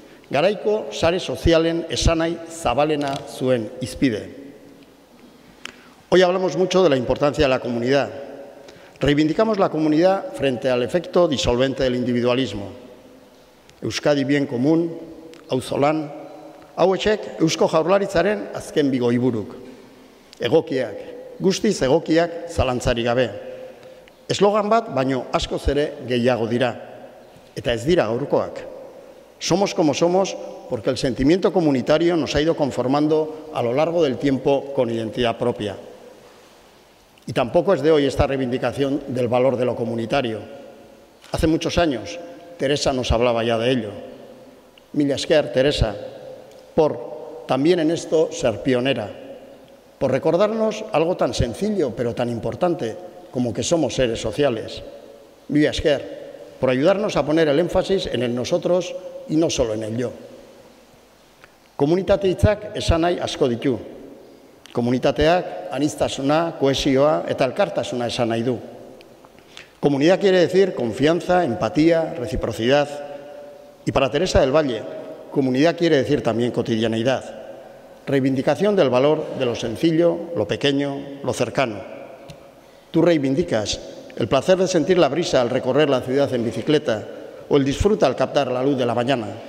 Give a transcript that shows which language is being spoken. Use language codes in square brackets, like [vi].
[eu] Garaiko sare sozialen esanai zabalena zuen izpide. [es] Hoy hablamos mucho de la importancia de la comunidad. Reivindicamos la comunidad frente al efecto disolvente del individualismo. [eu] Euskadi [es] bien común, [eu] auzolan, hauexek Eusko Jaurlaritzaren azken bi goiburuk. Egokiak, guztiz egokiak zalantzari gabe. Eslogan bat baino askoz ere gehiago dira. Eta ez dira gaurkoak. [es] Somos como somos porque el sentimiento comunitario nos ha ido conformando a lo largo del tiempo con identidad propia. Y tampoco es de hoy esta reivindicación del valor de lo comunitario. Hace muchos años Teresa nos hablaba ya de ello. [eu] Mila esker, Teresa, [es] por también en esto ser pionera, por recordarnos algo tan sencillo pero tan importante como que somos seres sociales. [eu] Mila esker, [es] por ayudarnos a poner el énfasis en el nosotros y no solo en el yo. [eu] Komunitate hitzak esan nahi asko ditu. Komunitateak aniztasuna, kohesioa eta elkartasuna esan nahi du. [es] Comunidad quiere decir confianza, empatía, reciprocidad. Y para Teresa del Valle, comunidad quiere decir también cotidianeidad. Reivindicación del valor de lo sencillo, lo pequeño, lo cercano. Tú reivindicas el placer de sentir la brisa al recorrer la ciudad en bicicleta o el disfrute al captar la luz de la mañana.